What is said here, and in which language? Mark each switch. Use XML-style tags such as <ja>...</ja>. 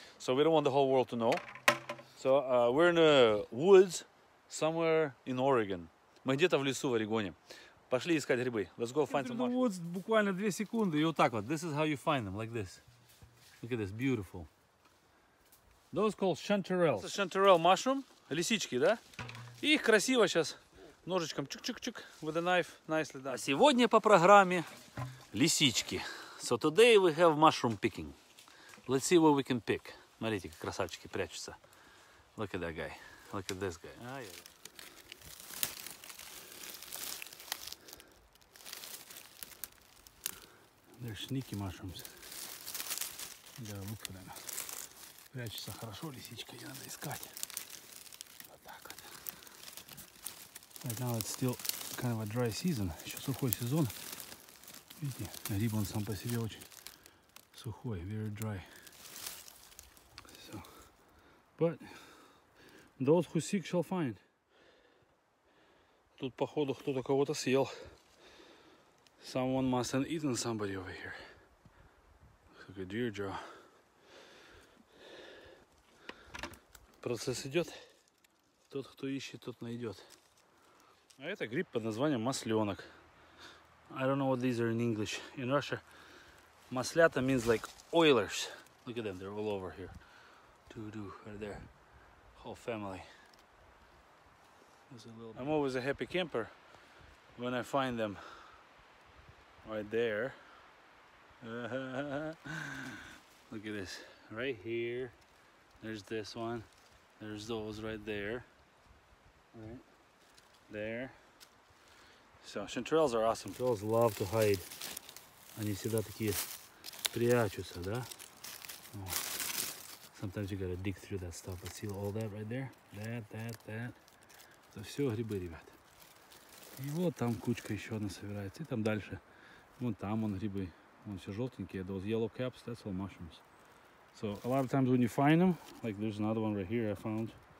<en>So, we don't want the whole world to know. So, we're in the woods, somewhere in Oregon.</en> <ru>Мы где-то в лесу в Орегоне. Пошли искать грибы.</ru> <en>Let's go find some mushrooms. Woods,</en> <ru>буквально 2 секунды. И вот так вот.</ru> <en>This is how you find them. Like this. Look at this. Beautiful. Those called Chanterelle. It's a Chanterelle mushroom.</en> <ru>Лисички, да? И красиво сейчас ножичком чук-чук-чук</ru> <en>with a knife. Nicely done.</en> <ru>А сегодня по программе лисички.</ru> <en>So today we have mushroom picking. Let's see what we can pick.</en> <ru>Смотрите, как красавчики прячутся.</ru> <en>Look at that guy. Look at this guy. They're sneaky mushrooms. Yeah, look at them.</en> <ru>Прячется хорошо лисичка, ее надо искать. Вот так вот.</ru> <en>Right now it's still kind of a dry season.</en> <ru>Еще сухой сезон. Видите, гриб он сам по себе очень сухой,</ru> <en>very dry. So, but those who seek shall find.</en> <ru>Тут походу кто-то кого-то съел.</ru> <en>Someone must have eaten somebody over here. It's like a deer jaw.</en> <ru>Процесс идет. Тот, кто ищет, тот найдет. А это гриб под названием масленок.</ru> <en>I don't know what these are in English. In Russia, маслята means like oilers. Look at them, they're all over here. Doo-doo, right there. Whole family. I'm always a happy camper when I find them. Right there. Look at this. Right here. There's this one. There's those right there. Right there. So chanterelles are awesome. Chanterelles love to hide.</en> <ru>Они всегда такие прячутся, да?</ru> <en>Oh. Sometimes you gotta dig through that stuff. But see all that right there? That.</en> <ru>Это все грибы, ребят. И вот там кучка еще одна собирается. И там дальше. Вон там он грибы, он все желтенькие.</ru> <en>Those yellow caps, that's all mushrooms. So a lot of times when you find them, like there's another one right here I found.</en>